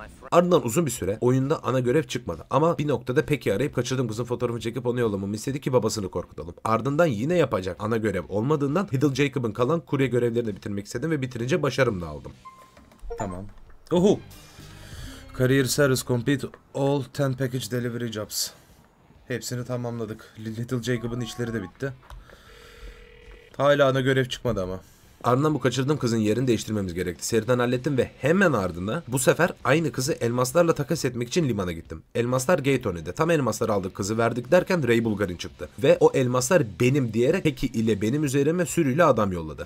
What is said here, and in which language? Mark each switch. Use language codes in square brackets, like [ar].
[tr] Ardından uzun bir süre oyunda ana görev çıkmadı ama bir noktada Peki arayıp kaçırdığım kızın fotoğrafını çekip onu yollamamı istedi ki babasını korkutalım. Ardından yine yapacak ana görev olmadığından Hiddle Jacob'ın kalan kurye görevlerini bitirmek istedim ve bitirince başarım da aldım. Tamam. Oho. [en] Career service complete, all 10 package delivery jobs. [tr] Hepsini tamamladık. Little Jacob'ın işleri de bitti. Hala ana görev çıkmadı ama. Ardından bu kaçırdığım kızın yerini değiştirmemiz gerekti. Seriden hallettim ve hemen ardından bu sefer aynı kızı elmaslarla takas etmek için limana gittim. Elmaslar Gate Oni'de. Tam elmasları aldık, kızı verdik derken Ray Bulgarin çıktı. Ve o elmaslar benim diyerek Peki ile benim üzerime sürüyle adam yolladı.